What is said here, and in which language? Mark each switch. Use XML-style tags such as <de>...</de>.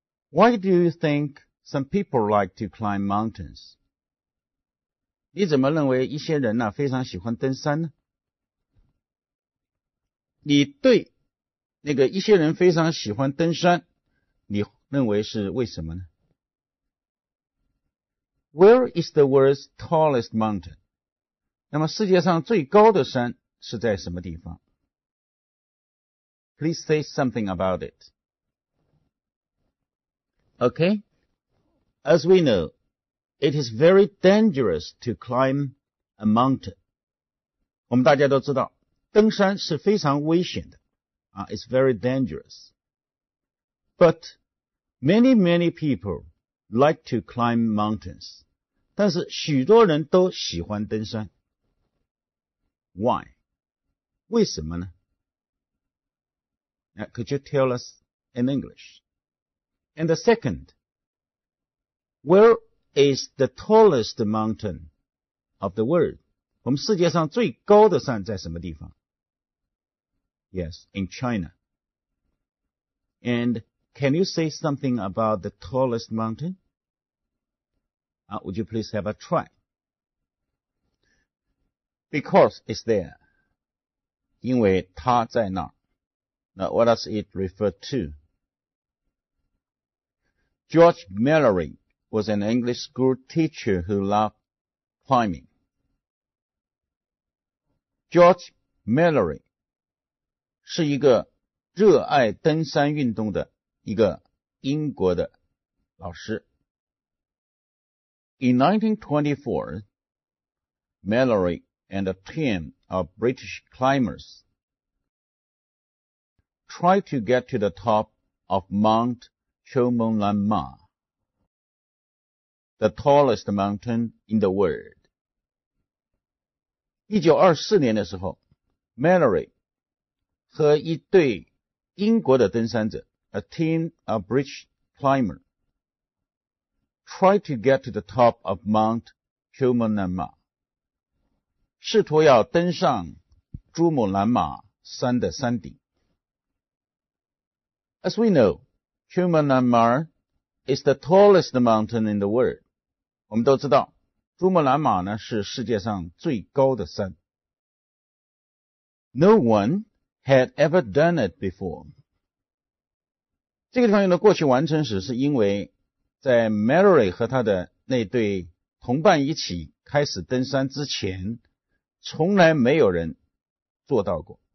<en>Why do you think some people like to climb mountains?</en> <zh>你怎么认为一些人呢、非常喜欢登山呢？你对那个一些人非常喜欢登山，你认为是为什么呢？</zh> <en>Where is the world's tallest mountain?</en> <zh>那么世界上最高的山是在什么地方？</zh> <en>Please say something about it. Okay. As we know,It is very dangerous to climb a mountain.</en> <zh>我们大家都知道登山是非常危险的、</zh> <en>It's very dangerous. But many, many people like to climb mountains.</en> <zh>但是许多人都喜欢登山。</zh> <en>Why?</en> <zh>为什么呢?</zh> <en>Now, could you tell us in English? And the second, where is the tallest mountain of the world.</en> <zh>我们世界上最高的山在什么地方?</zh> <en>Yes, in China. And can you say something about the tallest mountain? Would you please have a try? Because it's there.</en> <zh>因为它在那儿。</zh> <en>Now, what does it refer to? George Mallory. Was an English school teacher who loved climbing. George Mallory</en> <zh>是一个热爱登山运动的一个英国的老师。</zh> <en>In 1924, Mallory and a team of British climbers tried to get to the top of Mount Chomolungma. The tallest mountain in the world.</en> <zh>1924年的时候 ,Mallory 和一队英国的登山者</zh> <en>,a team of British climber, tried to get to the top of Mount Chomolungma,</en> <zh>试图要登上珠穆朗玛山的山顶。</zh> <en>As we know, Chomolungma is the tallest mountain in the world.</en> <zh>我们都知道珠穆朗玛呢是世界上最高的山。</zh> <en>No one had ever done it before.</en> <zh>这个地方用的过去完成时是因为在 Mallory 和他的那对同伴一起开始登山之前从来没有人做到过。</zh>